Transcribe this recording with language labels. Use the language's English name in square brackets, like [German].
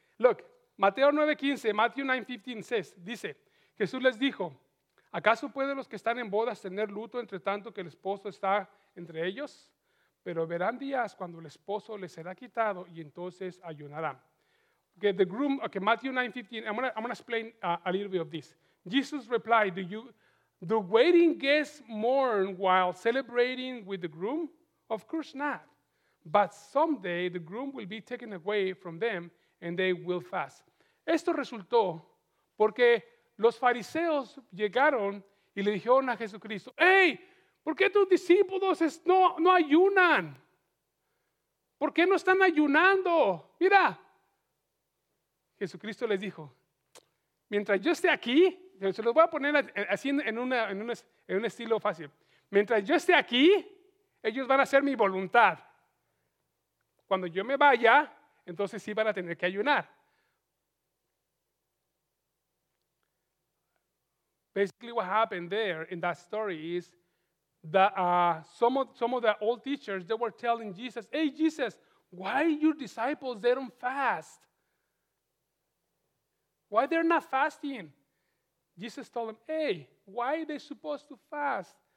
[Spanish] Look, Mateo 9:15, [English] Matthew 9:15 says, [Spanish] dice, Jesús les dijo, ¿acaso pueden los que están en bodas tener luto entre tanto que el esposo está entre ellos? Pero verán días cuando el esposo les será quitado y entonces ayunarán. [English] Okay, the groom, okay, Matthew 9:15, I'm gonna explain a little bit of this. Jesus replied, do waiting guests mourn while celebrating with the groom? Of course not. But someday the groom will be taken away from them and they will fast. [Spanish] Esto resultó porque los fariseos llegaron y le dijeron a Jesucristo, ¡hey! ¿Por qué tus discípulos no ayunan? ¿Por qué no están ayunando? Mira, Jesucristo les dijo, mientras yo esté aquí, se los voy a poner así en un estilo fácil. Mientras yo esté aquí, ellos van a hacer mi voluntad. Cuando yo me vaya, entonces sí van a tener que ayunar. [English] Basically what happened there in that story is that some of the old teachers, they were telling Jesus, hey, Jesus, why your disciples, they don't fast? Why they're not fasting? Jesus told them, hey, why are they supposed to fast?